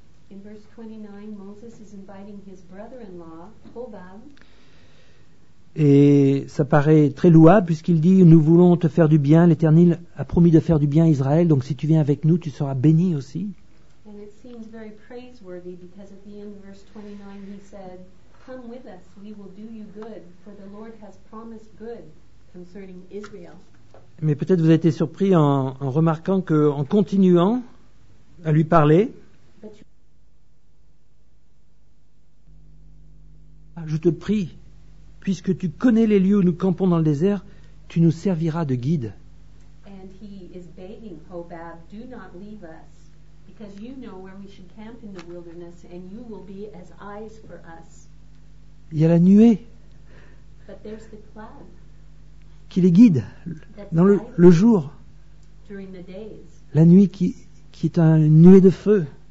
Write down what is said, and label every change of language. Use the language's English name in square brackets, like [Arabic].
[English] In verse 29, Moses is inviting his brother-in-law, Hobab. [French] Et ça paraît très louable puisqu'il dit, nous voulons te faire du bien, l'Éternel a promis de faire du bien à Israël, donc si tu viens avec nous, tu seras béni aussi. [English] And it seems very praiseworthy because at the end of verse 29, he said, come with us, we will do you good, for the Lord has promised good. Concerning Israel. [French] Mais peut-être vous avez été surpris en remarquant qu'en continuant à lui parler, je te prie, puisque tu connais les lieux où nous campons dans le désert, tu nous serviras de guide. [English] And he is begging Hobab, do not leave us, because you know where we should camp in the wilderness, and you will be as eyes for us. [French] Il y a la nuée. [English] But there's the cloud. [French] Qui les guide dans le jour, la nuit qui est un nuée de feu.